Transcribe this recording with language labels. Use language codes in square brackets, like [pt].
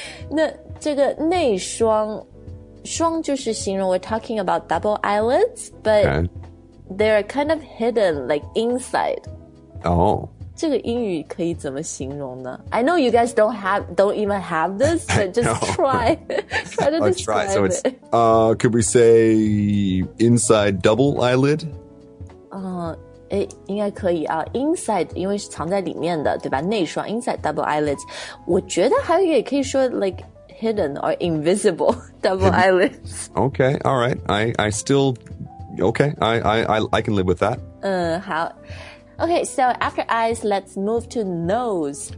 [zh] 那这个内双，双就是形容 [en] we're talking about double eyelids, but、okay. they're kind of hidden, like inside. Oh. [zh] 这个英语可以怎么形容呢？ [en] I know you guys don't even have this, but just try. try to describe it. Could we say inside double eyelid? [zh] 应该可以啊。 Inside, 因为是藏在里面的，对吧？内双 inside double eyelids. 我觉得还也可以说 [en] like hidden or invisible double eyelids. Okay, all right. I still, okay, I can live with that. [zh] 好。 [en] Okay, so after eyes, let's move to nose.